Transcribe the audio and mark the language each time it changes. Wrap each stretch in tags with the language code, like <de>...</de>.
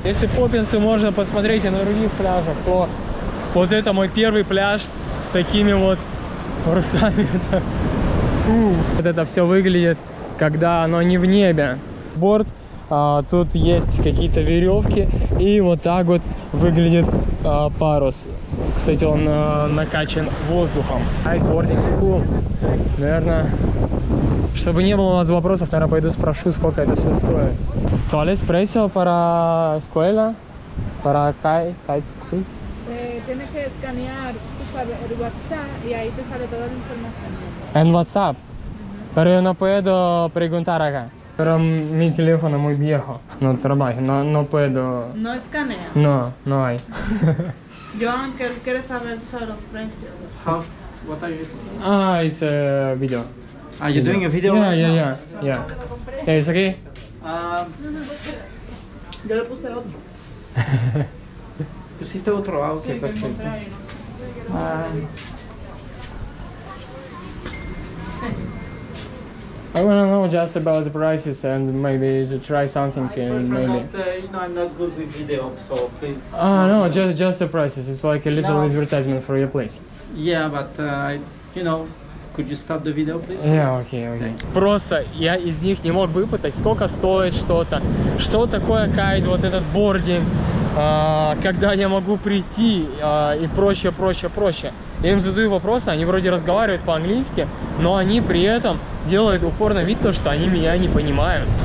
<ru>Если Поппинсы можно посмотреть и на других пляжах, то вот это мой первый пляж с такими вот парусами. Вот это все выглядит, когда оно не в небе. Борт, тут есть какие-то веревки, и вот так вот выглядит парус. Кстати, он накачан воздухом.</ru> <en>Kiteboarding school, наверное...</en> <ru>Чтобы не было у вас вопросов, наверное, пойду спрошу, сколько это все стоит.</ru> <es>¿Cuál es precio para escuela? Para kite school? Tienes que escanear el WhatsApp y ahí te sale toda la información. En WhatsApp? Pero yo no puedo preguntar acá. Pero mi teléfono muy viejo. No trabajo, no puedo... No escaneo. No hay. Joan, ¿quieres saber sobre los precios?</es> <en>How? What are you? Ah, it's a video. Are you doing a video? Yeah. Yeah, it's okay?</en> <es>Yo le puse otro. Pusiste otro, ah, okay, perfecto. Sí, que encontré ahí, ¿no?</es> <en>I wanna know just about the prices and maybe to try something, maybe. You know, I'm not good with video, so please. No, just the prices. It's like a little advertisement for your place. Yeah, but, you know, could you stop the video, please? Yeah, okay.</en> <ru>Просто я из них не мог выпытать, сколько стоит что-то, что такое кайт, вот этот бординг, когда я могу прийти и прочее. Я им задаю вопросы, они вроде разговаривают по-английски, но они при этом делают упор на вид, то, что они меня не понимают.</ru>